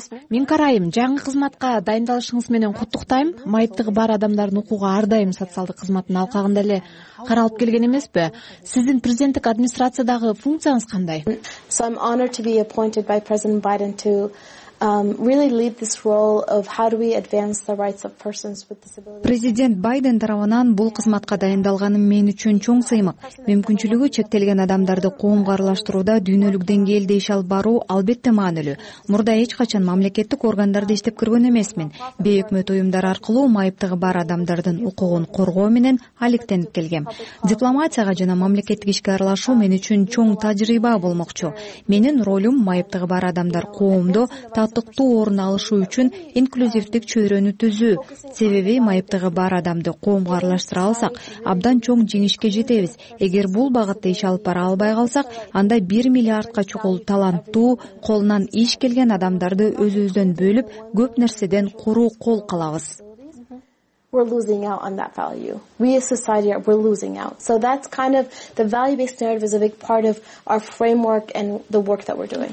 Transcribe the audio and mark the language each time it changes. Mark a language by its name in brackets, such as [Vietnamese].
[Kyrgyz] Минкара айым, жаңы кызматка дайындалышыңыз менен куттуктайм. Майыптыгы бар адамдардын укугу ар дайым социалдык кызматтын алкагында эле каралып келген эмеспи? Сиздин президенттик администрациядагы функцияңыз кандай? [English] So I'm honored to be appointed by President Biden to really lead this role of how do we advance the rights of persons with disabilities. [Kyrgyz] Президент Байден тарабынан бул кызматка дайындалганым мен үчүн чоң сыймык. Мүмкүнчүлүгү чектелген адамдарды коомго аралаштырууда дүйнөлүк деңгээлде иш алып баруу албетте маанилүү. Мурда эч качан мамлекеттик органдарда иштеп көргөн эмесмин. Бейөкмөт уюмдар аркылуу майыптыгы бар адамдардын укугун коргоо менен алектенип келгем. Дипломатияга жана мамлекеттик ишке аралашуу мен үчүн чоң тажрыйба болмокчу. Менин ролум майыптыгы бар адамдар коомдо татыктуу орун алышы үчүн инклюзивдик чөйрөнү түзүү. Себеби майыптыгы бар адамды коомго аралаштыра алсак, абдан чоң жеңишке жетебиз. Эгер бул багытта иш алып бара албай калсак, анда 1 миллиардка чукул таланттуу колунан иш келген адамдарды өзүбүздөн бөлүп, көп нерседен куру кол калабыз. [English] We're losing out on that value. We as society are we're losing out. So that's kind of the value-based narrative is a big part of our framework and the work that we're doing.